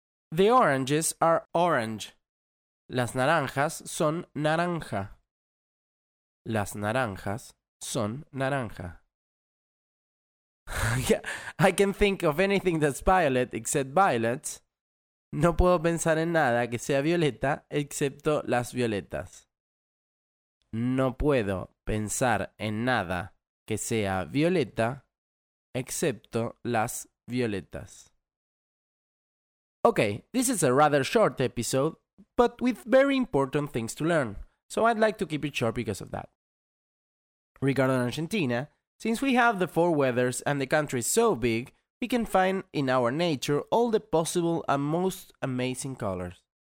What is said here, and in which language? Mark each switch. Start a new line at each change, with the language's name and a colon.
English: The oranges are orange.
Spanish: Las naranjas son naranja. Las naranjas son naranja.
English: I can't think of anything that's violet except violets.
Spanish: No puedo pensar en nada que sea violeta excepto las violetas. No puedo pensar en nada que sea violeta excepto las violetas.
English: Okay, this is a rather short episode, but with very important things to learn, so I'd like to keep it short because of that. Regarding Argentina, since we have the four weathers and the country is so big, we can find in our nature all the possible and most amazing colors.